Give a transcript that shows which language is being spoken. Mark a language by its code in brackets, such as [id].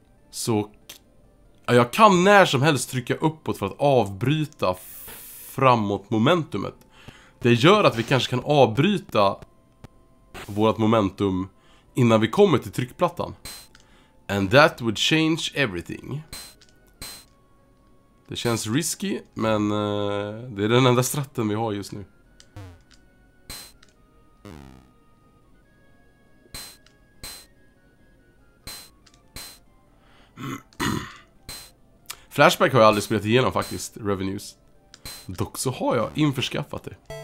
[sv] Så, ja, jag kan när som helst trycka uppåt för att avbryta framåt momentumet. Det gör att vi kanske kan avbryta vårt momentum innan vi kommer till tryckplattan. [en] And that would change everything. [sv] Det känns risky, men det är den enda stratten vi har just nu. Flashback har jag aldrig spelat igenom faktiskt, Revenues. Dock så har jag införskaffat det.